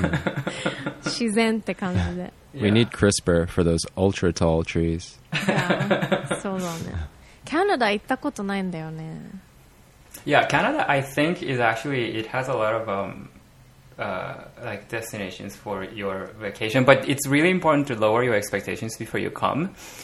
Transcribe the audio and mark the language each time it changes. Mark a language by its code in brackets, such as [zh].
[ja] その木の今影が司さんの部屋に見えててそれすごい羨ましい。自然って感じで。 [en] We need CRISPR for those ultra tall trees. [ja] そうだね。カナダ行ったことないんだよね。 [en] Yeah, Canada I think is actually it has a lot of like destinations for your vacation, but it's really important to lower your expectations before you come.